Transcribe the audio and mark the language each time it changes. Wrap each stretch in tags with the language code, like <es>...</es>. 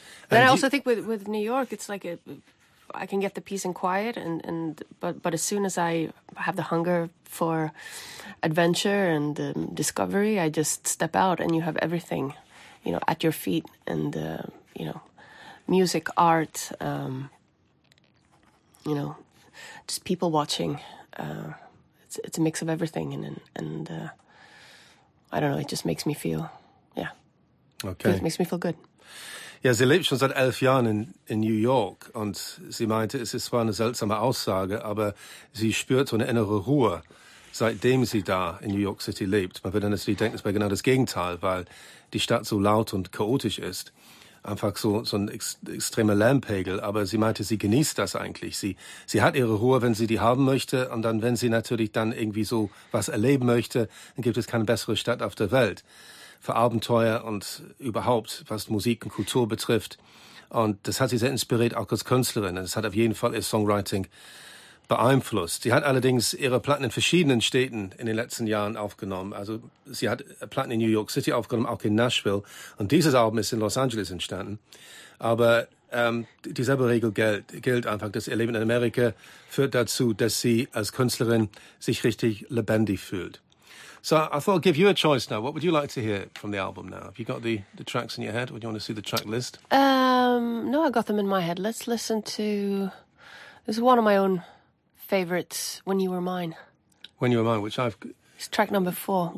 <en>And then I also think with New York, it's like I can get the peace and quiet, but as soon as I have the hunger for adventure and discovery, I just step out, and you have everything, you know, at your feet, and you know, music, art, you know. Just people watching. It's a mix of everything, and I don't know. It just makes me feel, yeah. Okay. It makes me feel good.</en> <de>Ja, sie lebt schon seit 11 Jahren in New York, und sie meinte, es ist zwar eine seltsame Aussage, aber sie spürt so eine innere Ruhe, seitdem sie da in New York City lebt. Man würde natürlich denken, es wäre genau das Gegenteil, weil die Stadt so laut und chaotisch ist. Einfach so ein extremer Lärmpegel. Aber sie meinte, sie genießt das eigentlich. Sie hat ihre Ruhe, wenn sie die haben möchte. Und dann, wenn sie natürlich dann irgendwie so was erleben möchte, dann gibt es keine bessere Stadt auf der Welt. Für Abenteuer und überhaupt, was Musik und Kultur betrifft. Und das hat sie sehr inspiriert, auch als Künstlerin. Das hat auf jeden Fall ihr Songwriting beeinflusst. Sie hat allerdings ihre Platten in verschiedenen Städten in den letzten Jahren aufgenommen. Also sie hat Platten in New York City aufgenommen, auch in Nashville. Und dieses Album ist in Los Angeles entstanden. Aber dieselbe Regel gilt einfach, dass ihr Leben in Amerika führt dazu, dass sie als Künstlerin sich richtig lebendig fühlt.</de> <en>So I thought I'd give you a choice now. What would you like to hear from the album now? Have you got the tracks in your head? Would you want to see the track list? No, I got them in my head. Let's listen to... this is one of my own... favorites, When You Were Mine. When You Were Mine, which I've... it's track number 4.</en>